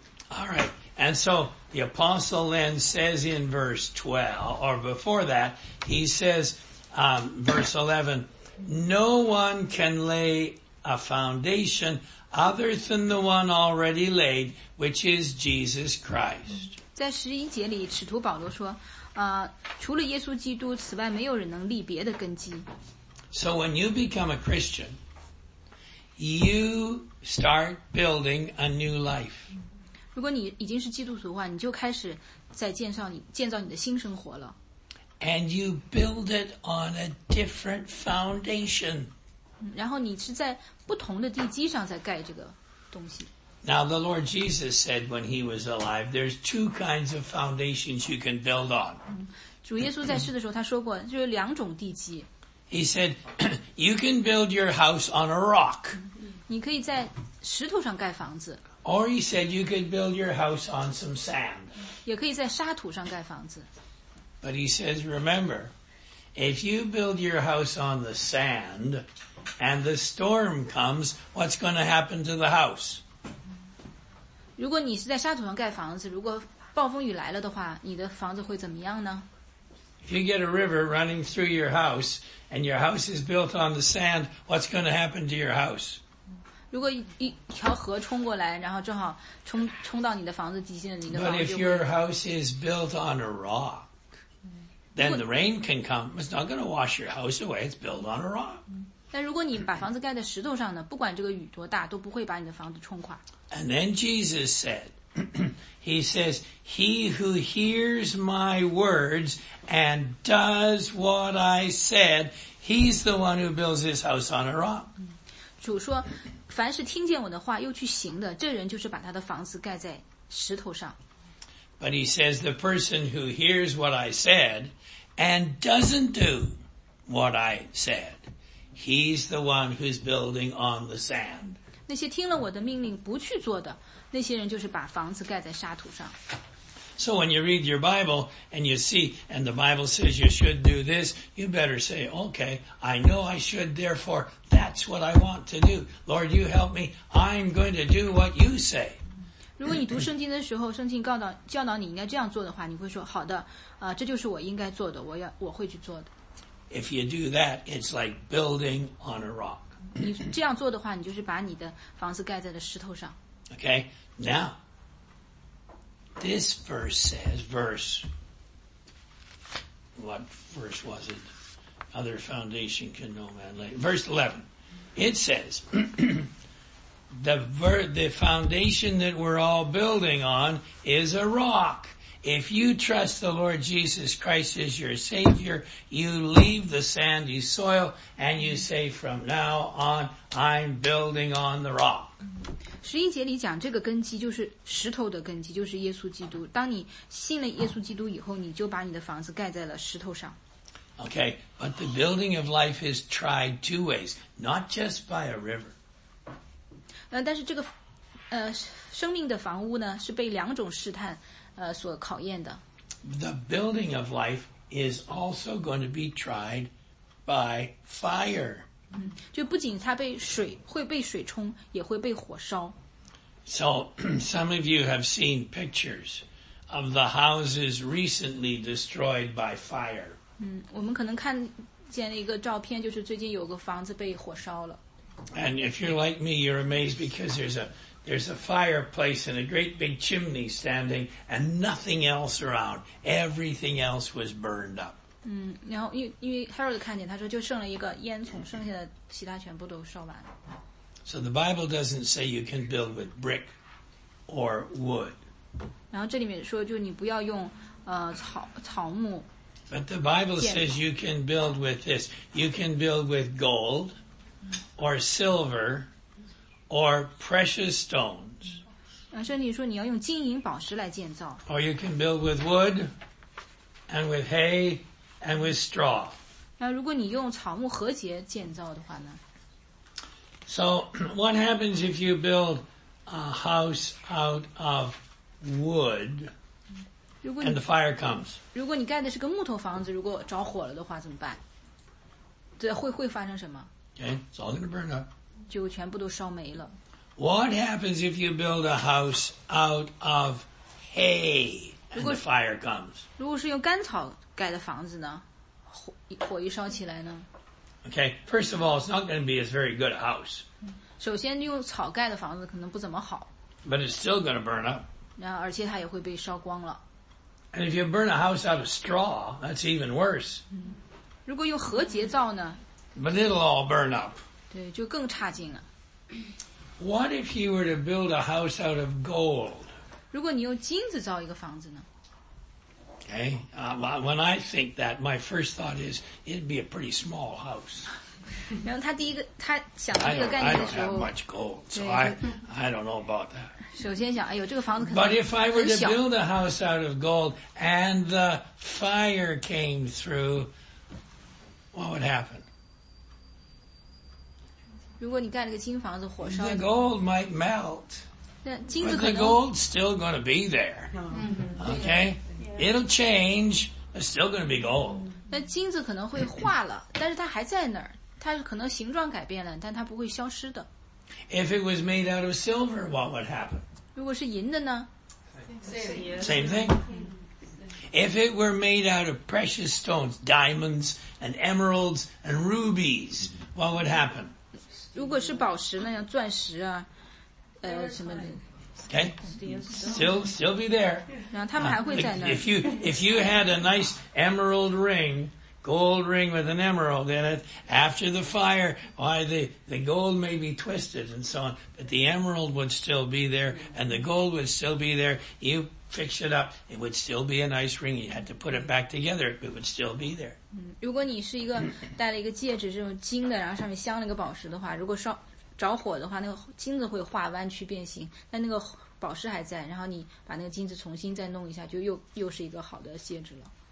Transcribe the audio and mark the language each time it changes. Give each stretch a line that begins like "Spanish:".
English: All right, and so the apostle then says in verse 12, or before that, he says, verse 11, no one can lay a foundation other than the one already laid, which is Jesus Christ.
Chinese: 在十一节里，使徒保罗说，除了耶稣基督，此外没有人能立别的根基。
English: So when you become a Christian, you start building a new life.
Chinese: 如果你已经是基督徒的话，你就开始在建造你的新生活了。
English: And you build it on a different foundation.
Chinese: 然后你是在不同的地基上在盖这个东西。
English: Now the Lord Jesus said when he was alive, there's two kinds of foundations you can build on.
Chinese: 主耶稣在世的时候他说过，就有两种地基。
English: He said, you can build your house on a rock.
Chinese: 你可以在石头上盖房子。
English: Or he said you could build your house on some sand.
Chinese: 也可以在沙土上盖房子。
English: But he says, remember, if you build your house on the sand and the storm comes, what's going to happen to the house?
Chinese: 如果你是在沙土上盖房子，如果暴风雨来了的话，你的房子会怎么样呢？
English: If you get a river running through your house and your house is built on the sand, what's going to happen to your house?
Chinese: 如果一条河冲过来，然后正好冲到你的房子底下，你的房子就会。
English: But if your house is built on a rock,then the rain can come. It's not going to wash your house away. It's built on a rock.
Chinese: 但如果你把房子盖在石头上呢，不管这个雨多大，都不会把你的房子冲垮。
English: And then Jesus said, he says, he who hears my words and does what I said, he's the one who builds his house on a rock.
Chinese: 主说，凡是听见我的话又去行的，这人就是把他的房子盖在石头上。
English: But he says the person who hears what I said and doesn't do what I said, he's the one who's building on the sand.
Chinese: 那些听了我的命令不去做的，那些人就是把房子盖在沙土上。
English: So when you read your Bible and you see, and the Bible says you should do this, you better say, okay, I know I should, therefore that's what I want to do. Lord, you help me, I'm going to do what you say.
Chinese: 如果你读圣经的时候，圣经教导你应该这样做的话，你会说好的，这就是我应该做的，我会去做的。
English: If you do that, it's like building on a rock.
Chinese: 你这样做的话，你就是把你的房子盖在了石头上。
English: Okay, now this verse says what verse was it? Other foundation can no man lay. Verse 11, it says. The foundation that we're all building on is a rock. If you trust the Lord Jesus Christ as your Savior, you leave the sandy soil and you say, from now on, I'm building on the rock.
Chinese: 十一节里讲这个根基就是石头的根基，就是耶稣基督。当你信了耶稣基督以后，你就把你的房子盖在了石头上。
English: Okay, but the building of life is tried two ways, not just by a river.
Chinese: 但是这个生命的房屋呢是被两种试探所考验的。
English: The building of life is also going to be tried by fire.
Chinese: 就不仅它会被水冲，也会被火烧。
English: So, some of you have seen pictures of the houses recently destroyed by fire.
Chinese: 我们可能看见了一个照片，就是最近有个房子被火烧了。
English: And if you're like me, you're amazed because there's a fireplace and a great big chimney standing and nothing else around. Everything else was burned up.
Chinese: 然后因为 Harold 看见，他说就剩了一个烟囱，剩下的其他全部都烧完了。
English: So the Bible doesn't say you can build with brick or wood.
Chinese: 然后这里面说就你不要用草木。
English: But the Bible says you can build with this. You can build with gold. Or silver, or precious stones.
Chinese: 圣经说你要用金银宝石来建造。
English: Or you can build with wood, and with hay, and with straw.
Chinese: 如果你用草木和秸建造的话呢？
English: So what happens if you build a house out of wood, and the fire comes?
Chinese: 如果你盖的是个木头房子，如果着火了的话怎么办？对，会发生什么？
English: Okay, it's all going to burn up.
Chinese: 就全部都烧没了。
English: What happens if you build a house out of hay and the fire comes?
Chinese: 如果是用干草盖的房子呢？火一烧起来呢？
English: Okay, first of all, it's not going to be a very good house.
Chinese: 首先用草盖的房子可能不怎么好。
English: But it's still going to burn up.
Chinese: 然后而且它也会被烧光了。
English: And if you burn a house out of straw, that's even worse.
Chinese: 如果用禾秸造呢？
English: But it'll all burn up.
Chinese: 对，就更差劲了。
English: What if you were to build a house out of gold?
Chinese: 如果你用金子造一个房子呢？
English: Okay, when I think that, my first thought is, it'd be a pretty small house. I don't have much gold, so I don't know about that.
Chinese: 首先想，哎呦，这个房子可能很小。
English: But if I were to build a house out of gold and the fire came through, what would happen?
Chinese: 如果你盖了个金房子，火烧。
English: The gold might melt.
Chinese: 那金子可能。
English: But the gold's still going to be there. Okay? It'll change. It's still going to be gold.
Chinese: 那金子可能会化了，但是它还在那儿。它可能形状改变了，但它不会消失的。
English: If it was made out of silver, what would happen?
Chinese: 如果是银的呢？
English: Same thing. If it were made out of precious stones, diamonds and emeralds and rubies, what would happen?
Chinese: 如果是宝石呢？像钻石啊，什么的。
English: Okay, still be there. If you had a nice emerald ring, gold ring with an emerald in it, after the fire, why the gold may be twisted and so on, but the emerald would still be there and the gold would still be there. You fix it up, it would still be a nice ring. You had to put it back together, it would still be there.
Chinese: 如果你是一个戴了一个戒指，这种金的，然后上面镶了一个宝石的话，如果烧着火的话，那个金子会化弯曲变形，但那个宝石还在。然后你把那个金子重新再弄一下，就又是一个好的戒指了。